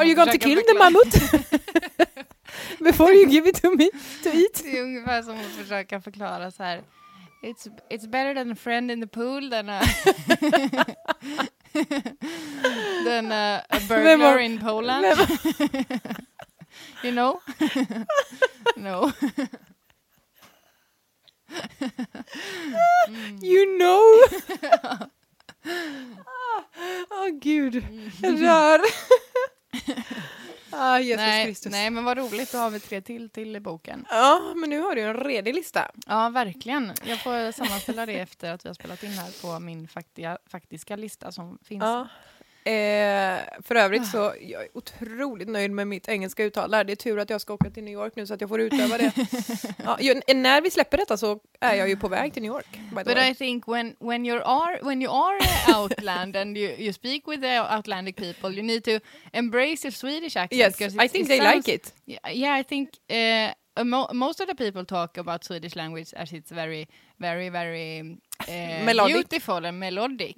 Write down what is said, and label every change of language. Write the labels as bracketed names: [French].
[English] are you going to kill the mammoth before you give it to me to eat? [Swedish] Det är ungefär som att försöka förklara så här [English] it's better than a friend in the pool than a than a burglar var, in Poland. You know? No. You know? [Swedish] Åh, gud. Rör. Jesus Kristus. Nej, men vad roligt. Då har vi 3 till i boken. Ja, men nu har du en redig lista. Ja, verkligen. Jag får sammanställa det efter att vi har spelat in här på min faktiska lista som finns. Ja. För övrigt så jag är otroligt nöjd med mitt engelska uttal. Det är tur att jag ska åka till New York nu så att jag får utöva det. Ja, när vi släpper detta så är jag ju på väg till New York. [English] But I think when you are outland and you speak with the outlandic people, you need to embrace your Swedish accent. Yes, I think they like it. Yeah, I think most of the people talk about Swedish language as it's very very very beautiful and melodic.